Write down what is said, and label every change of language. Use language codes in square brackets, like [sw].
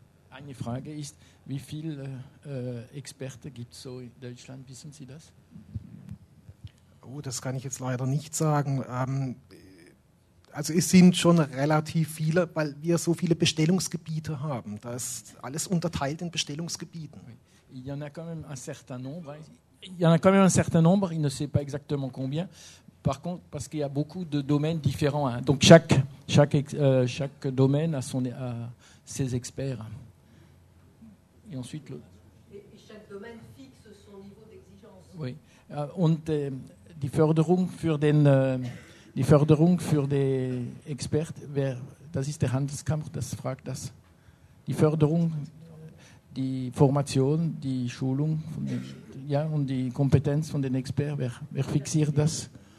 [de] Eine Frage ist, wie viele Experten gibt es so in Deutschland? Wissen Sie das? Oh, das kann ich jetzt leider nicht sagen. Also es sind schon relativ viele, weil wir so viele Bestellungsgebiete haben. Da ist alles unterteilt in Bestellungsgebieten. [fr] Il y en a quand même un certain nombre. Il y en a quand même un certain nombre. Il ne sait pas exactement combien. Par contre, parce qu'il y a beaucoup de domaines différents. Hein. Donc chaque domaine a ses experts. Et ensuite, chaque domaine fixe son niveau d'exigence. Oui. [de] Und die Förderung für den Expert, wer, das ist der Handelskammer, das fragt das. Die Förderung, die Formation, die Schulung von den, ja, und die Kompetenz von den Experten, wer fixiert das?